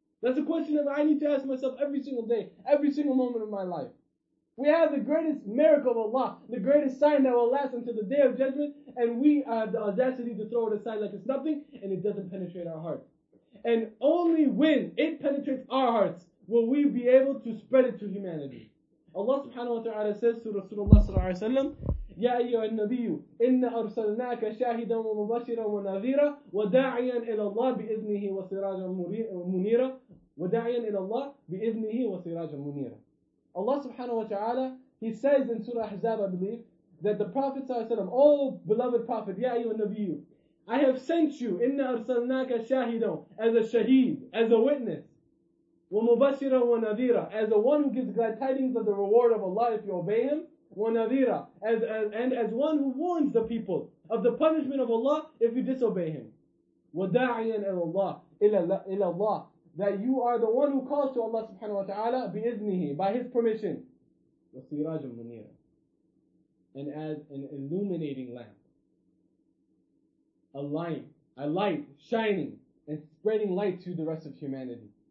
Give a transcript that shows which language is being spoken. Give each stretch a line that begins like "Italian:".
English: That's a question that I need to ask myself every single day, every single moment of my life. We have the greatest miracle of Allah, the greatest sign that will last until the day of judgment, and we have the audacity to throw it aside like it's nothing, and it doesn't penetrate our heart. And only when it penetrates our hearts, will we be able to spread it to humanity.
Arabic: Allah subhanahu wa ta'ala says to Rasulullah sallallahu alayhi wa sallam, يَا أَيُّهَا النَّبِيُّ إِنَّ أَرْسَلْنَاكَ شَاهِدًا وَمُبَشِّرًا وَنَذِيرًا وَدَاعِيًا إِلَى اللَّهِ بِإِذْنِهِ وَسِرَاجًا مُنِيرًا وَدَاعِيًا إِلَى اللَّهِ بِإِذْنِهِ وَسِرَاجًا مُنِيرًا.
English: Allah subhanahu wa ta'ala, He says in Surah Ahzab, I believe, that the Prophet sallallahu alayhi wa sallam, O beloved Prophet,
Arabic: يَا أَيُّهَا النَّبِيُّ,
English: I have sent you,
Arabic: إِنَّ أَرْسَلْنَاكَ شَاهِدًا,
English: as a shaheed, as a witness,
Arabic: وَمُبَشِّرًا وَنَذِيرًا,
English: as the one who gives glad tidings of the reward of Allah if you obey Him,
Arabic: وَنَذِيرًا,
English: as one who warns the people of the punishment of Allah if you disobey Him,
Arabic: وَدَاعِيًا إِلَى اللَّهِ إِلَى اللَّهِ,
English: that you are the one who calls to Allah subhanahu wa ta'ala
Arabic: بِإِذْنِهِ,
English: by His permission,
Arabic: وَسِرَاجًا مُنِيرًا,
English: and as an illuminating lamp, a light shining and spreading light to the rest of humanity.